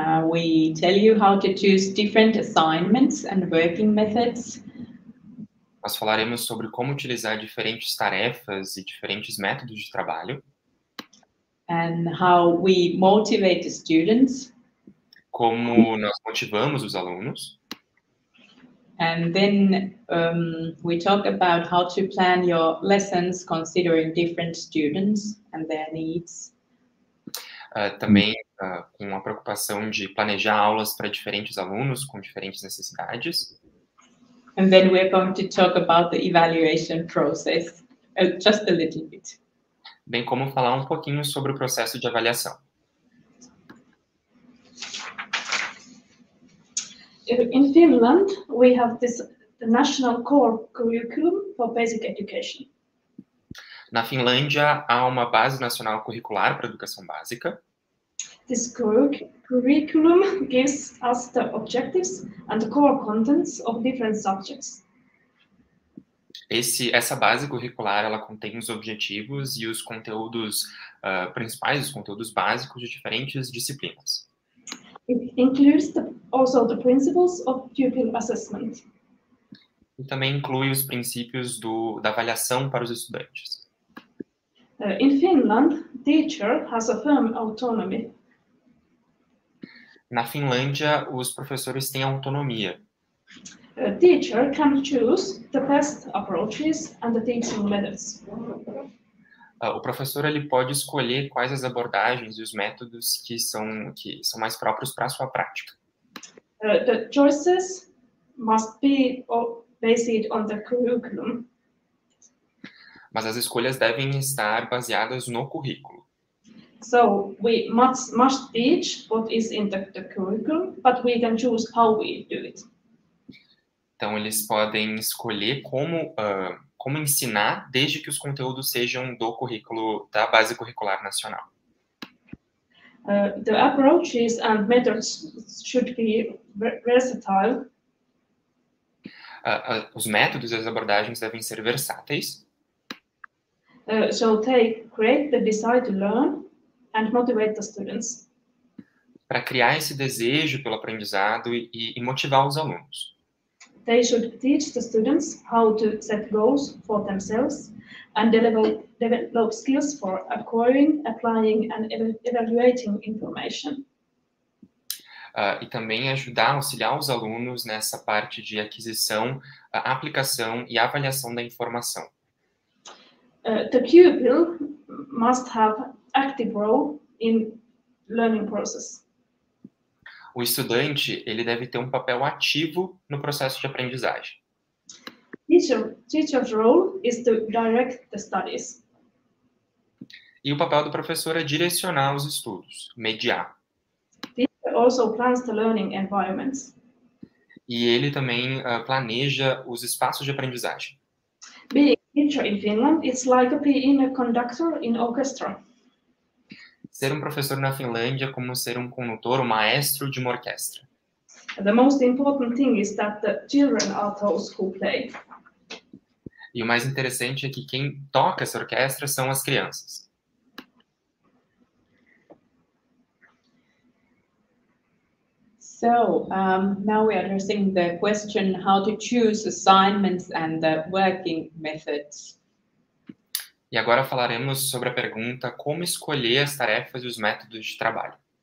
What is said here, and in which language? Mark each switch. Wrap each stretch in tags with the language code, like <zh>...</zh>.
<en>We tell you how to choose different assignments and working methods.</en> <pt>Nós falaremos sobre como utilizar diferentes tarefas e diferentes métodos de trabalho.</pt> <en>And how we motivate the students.</en> <pt>Como nós motivamos os alunos.</pt> <en>And then we talk about how to plan your lessons considering different students and their needs.</en> <pt>Também com a preocupação de planejar aulas para diferentes alunos com diferentes necessidades.</pt> <en>And then we're going to talk about the evaluation process, just a little bit.</en> <pt>Bem como falar um pouquinho sobre o processo de avaliação.</pt> <en>In Finland, we have this the national core curriculum for basic education.</en> <pt>Na Finlândia, há uma base nacional curricular para educação básica.</pt> <en>This curriculum gives us the objectives and the core contents of different subjects.</en> <pt>Essa base curricular, ela contém os objetivos e os conteúdos principais, os conteúdos básicos de diferentes disciplinas.</pt> <en>It includes also the principles of pupil assessment.</en> <pt>E também inclui os princípios da avaliação para os estudantes.</pt> <en>In Finland, teacher has a firm autonomy.</en> <pt>Na Finlândia, os professores têm autonomia.</pt> <en>A teacher can choose the best approaches and the teaching methods.</en> <pt>O professor ele pode escolher quais as abordagens e os métodos que são mais próprios para a sua prática.</pt> <en>The choices must be based on the curriculum.</en> <pt>Mas as escolhas devem estar baseadas no currículo.</pt> <en>So we must teach what is in the curriculum, but we can choose how we do it.</en> <pt>Então eles podem escolher como ensinar, desde que os conteúdos sejam do currículo da base curricular nacional.</pt> <en>The approaches and methods should be versatile.</en> <pt>os métodos e as abordagens devem ser versáteis.</pt> <en>So they create the desire to learn and motivate the students.</en> <pt>Para criar esse desejo pelo aprendizado e motivar os alunos.</pt> <en>They should teach the students how to set goals for themselves and develop skills for acquiring, applying and evaluating information.</en> <pt>E também ajudar, auxiliar os alunos nessa parte de aquisição, aplicação e avaliação da informação.</pt> <en>The pupil must have active role in learning process.</en> <pt>O estudante, ele deve ter um papel ativo no processo de aprendizagem.</pt> <en>Teacher's role is to direct the studies.</en> <pt>E o papel do professor é direcionar os estudos, mediar.</pt> <en>Teacher also plans the learning environments.</en> <pt>E ele também planeja os espaços de aprendizagem.</pt> <en>Being a teacher in Finland, it's like being a conductor in orchestra.</en> <pt>Ser um professor na Finlândia é como ser um condutor, um maestro de uma orquestra.</pt> <en>The most important thing is that the children are those who play.</en> <pt>E o mais interessante é que quem toca essa orquestra são as crianças.</pt> <en>So, now we are addressing the question how to choose assignments and the working methods.</en> <pt>E agora falaremos sobre a pergunta como escolher as tarefas e os métodos de trabalho.</pt>